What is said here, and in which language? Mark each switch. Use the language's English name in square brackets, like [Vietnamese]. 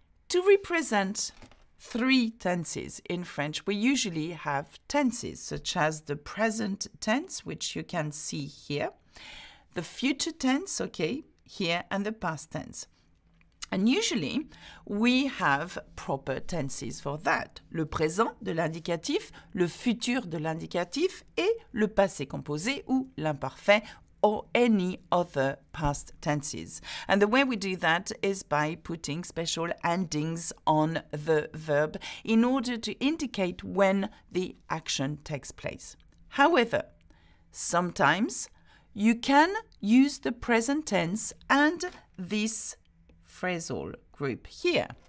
[English] To represent three tenses in French, we usually have tenses such as the present tense, which you can see here, the future tense, okay, here, and the past tense. And usually we have proper tenses for that. [French] Le présent de l'indicatif, le futur de l'indicatif et le passé composé ou l'imparfait, [English] or any other past tenses. And the way we do that is by putting special endings on the verb in order to indicate when the action takes place. However, sometimes you can use the present tense and this phrasal group here.